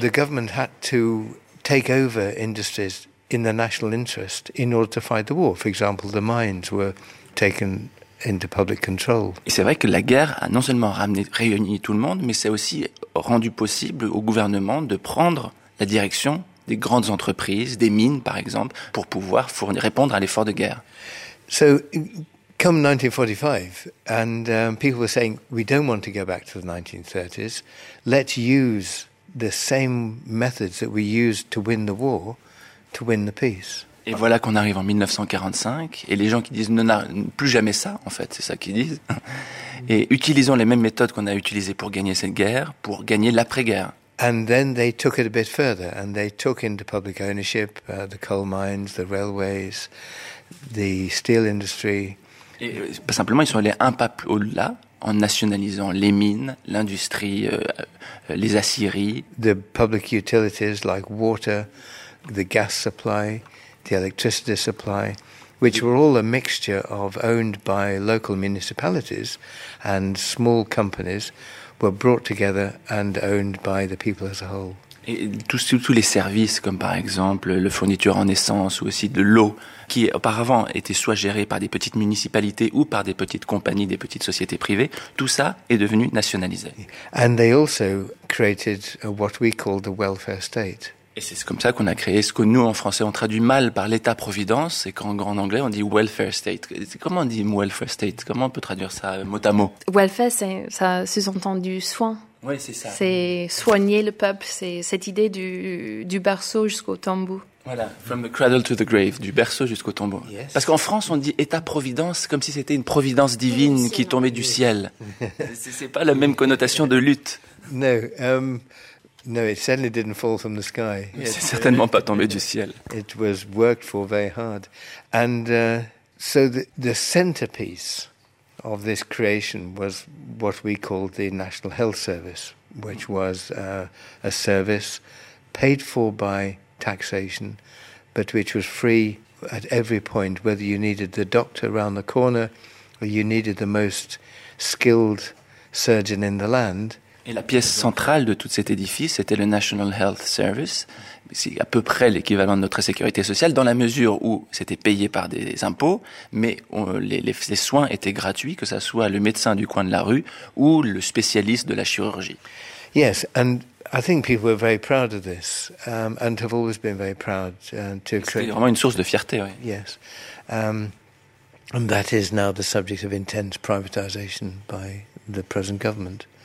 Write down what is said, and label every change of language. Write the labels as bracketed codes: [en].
[en] The government had to take over industries in the national interest in order to fight the war. For example, the mines were taken into public control. [fr] Et c'est vrai que la guerre a non seulement réuni tout le monde, mais c'est aussi rendu possible au gouvernement de prendre la direction des grandes entreprises, des mines par exemple, pour pouvoir répondre à l'effort de guerre. [en] So, come 1945, and people were saying, we don't want to go back to the 1930s. Let's use the same methods that we used to win the war, to win the peace. [fr] Et voilà qu'on arrive en 1945, et les gens qui disent, plus jamais ça, en fait, c'est ça qu'ils disent. Et utilisons les mêmes méthodes qu'on a utilisées pour gagner cette guerre, pour gagner l'après-guerre. [en] And then they took it a bit further, and they took into public ownership the coal mines, the railways, the steel industry. [fr] Et pas simplement, ils sont allés un pas plus au-delà en nationalisant les mines, l'industrie, les aciéries. [en] The public utilities like water, the gas supply, the electricity supply, which were all a mixture of owned by local municipalities and small companies, were brought together and owned by the people as a whole. [fr] Et tous les services, comme par exemple le fourniture en essence ou aussi de l'eau, qui auparavant étaient soit gérés par des petites municipalités ou par des petites compagnies, des petites sociétés privées, tout ça est devenu nationalisé. [en] And they also created what we call the welfare state. [fr] Et c'est comme ça qu'on a créé ce que nous, en français, on traduit mal par l'État-providence, et qu'en grand anglais, on dit welfare state. Comment on dit welfare state? Comment on peut traduire ça mot à mot? Welfare, c'est, ça sous-entend du soin. Oui, c'est ça. C'est soigner le peuple, c'est cette idée du berceau jusqu'au tombeau. Voilà, [en] from the cradle to the grave, [fr] du berceau jusqu'au tombeau. [en] Yes. [fr] Parce qu'en France, on dit État-providence comme si c'était une providence divine qui tombait du ciel. C'est pas la même connotation de lutte. [en] No, no, it certainly didn't fall from the sky. [fr] C'est certainement pas tombé du ciel. [en] It was worked for very hard. And so the centerpiece of this creation was what we called the National Health Service, which was a service paid for by taxation, but which was free at every point, whether you needed the doctor around the corner or you needed the most skilled surgeon in the land. [fr] Et la pièce centrale de tout cet édifice, c'était le National Health Service. C'est à peu près l'équivalent de notre sécurité sociale, dans la mesure où c'était payé par des impôts, mais les soins étaient gratuits, que ça soit le médecin du coin de la rue ou le spécialiste de la chirurgie. [en] Yes, and I think people were very proud of this, and have always been very proud to. [fr] C'était vraiment une source de fierté, oui. [en] Yes, and that is now the subject of intense privatization by the present government.